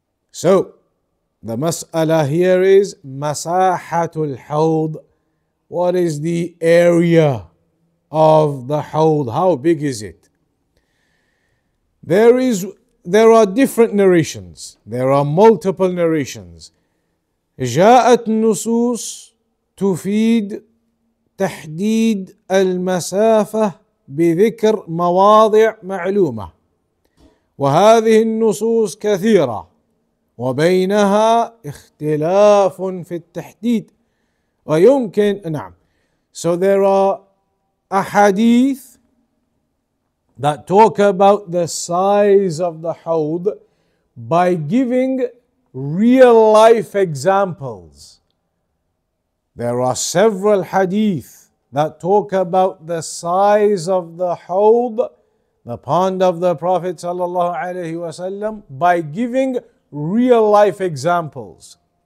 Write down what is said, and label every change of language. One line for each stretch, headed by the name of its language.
English: So the mas'ala here is masahatul Ḥawḍ. What is the area of the Ḥawḍ? How big is it? There are different narrations. There are multiple narrations.
Arabic: جاءت نصوص تفيد تحديد المسافة بذكر مواضع معلومة وهذه النصوص كثيرة وبينها اختلاف في التحديد ويمكن نعم.
English: So there are ahadith that talk about the size of the Ḥawḍ by giving real life examples. There are several hadith that talk about the size of the Ḥawḍ, the pond of the Prophet sallallahu alaihi wasallam, by giving real life examples.